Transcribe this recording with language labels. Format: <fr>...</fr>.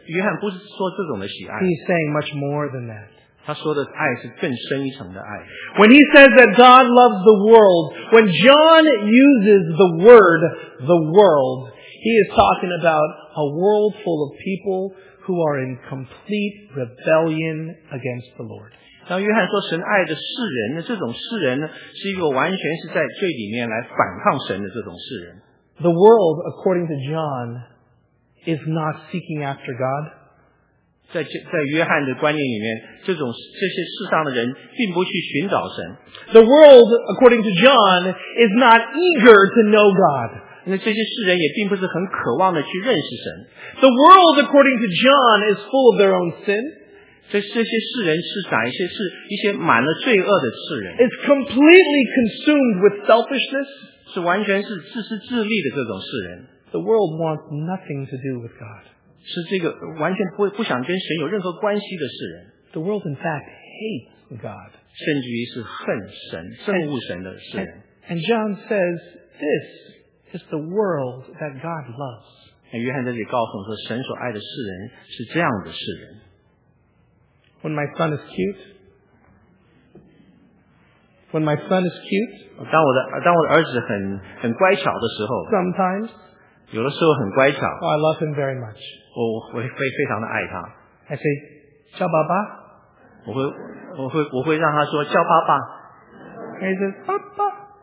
<zh>约翰不是说这种的喜爱。</zh> <en>He's saying much more than that.</en> <zh>他说的爱是更深一层的爱。</zh> <en>When he says that God loves the world, when John uses the word the world, he is talking about a world full of people who are in complete rebellion against the Lord.</en> <zh>当约翰说神爱的世人，这种世人呢，是一个完全是在罪里面来反抗神的这种世人。</zh> <en>The world, according to John, is not seeking after God.</en> <zh>在约翰的观念里面，这些世上的人并不去寻找神。</zh> <en>The world, according to John, is not eager to know God.</en> <zh>那这些世人也并不是很渴望的去认识神。</zh> <en>The world, according to John, is full of their own sin.</en> <zh>这些世人是哪一些？是一些满了罪恶的世人。</zh> <en>It's completely consumed with selfishness.</en> <zh>是完全是自私自利的这种世人。</zh> <en>The world wants nothing to do with God.</en> <zh>是这个完全 不想跟神有任何关系的世人。</zh> <en>The world in fact hates God.</en> <zh>甚至于是恨神、憎恶神的世人。</zh> <en>And John says, this is the world that God loves.</en> <zh>约翰在这里告诉我说，神所爱的世人是这样的世人。</zh> <en>When my son is cute, when my son is cute,</en> <zh>当我的儿子很乖巧的时候</zh> <en>，sometimes.</en> <zh>有的时候很乖巧。</zh> <en>Oh, I love him very much.</en> <zh>我会非常的爱他。</zh> <en>I say,</en> <zh>叫爸爸。我会让他说叫爸爸。</zh> <en>He says,</en> <zh>爸爸。</zh>